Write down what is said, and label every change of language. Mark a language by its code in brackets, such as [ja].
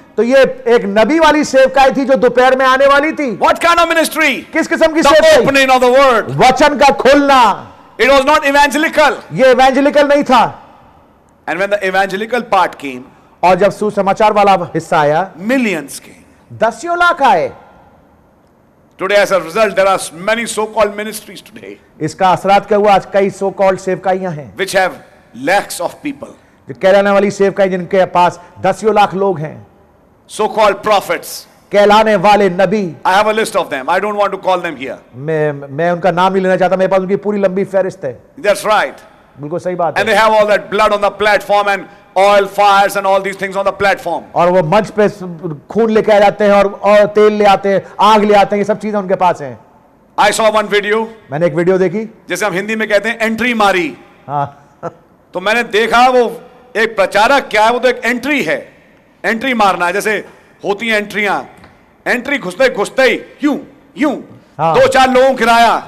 [hi] तो ये एक नबी वाली सेवकाई थी जो दोपहर में आने वाली थी. [en] What kind of ministry? [hi] किस किस्म की सेवकाई? [en] The opening of the word. [hi] वचन का खोलना. [en] It was not evangelical. [hi] ये evangelical नहीं था. [en] And when the evangelical part came, [hi] और जब सुसमाचार वाला हिस्सा आया, [en] millions came. [hi] दसियों लाख आए. [en] Today, as a result, there are many so-called ministries today. [hi] इसका असरात क्या हुआ? आज कई so-called सेवकाइयां हैं, [en] which have lakhs of people. [hi] जो कहलाने वाली सेवकाई जिनके पास दसियों लाख लोग हैं. [en] So-called prophets. [hi] कहलाने वाले नबी. [en] I have a list of them. I don't want to call them here. [hi] मैं उनका नाम नहीं लेना चाहता. मेरे पास उनकी पूरी लंबी फहरिस्त है. [en] That's right. [hi] बिल्कुल सही बात है. [en] And they have all that blood on the platform and oil fires and all these things on the platform. [hi] और वो मंच पे खून लेके आ जाते हैं और तेल ले आते हैं, आग ले आते हैं. ये सब चीजें उनके पास हैं. [en] I saw one video. [hi] मैंने एक वीडियो देखी. जैसे हम हिंदी में कहते हैं एंट्री मारी. हाँ. तो मैंने देखा वो एक प्रचारक क्या है, वो तो एक एंट्री है. एंट्री मारना है, जैसे होती है एंट्रियां. एंट्री घुसते घुसते ही यूं यूं. हाँ. दो चार लोगों गिराया.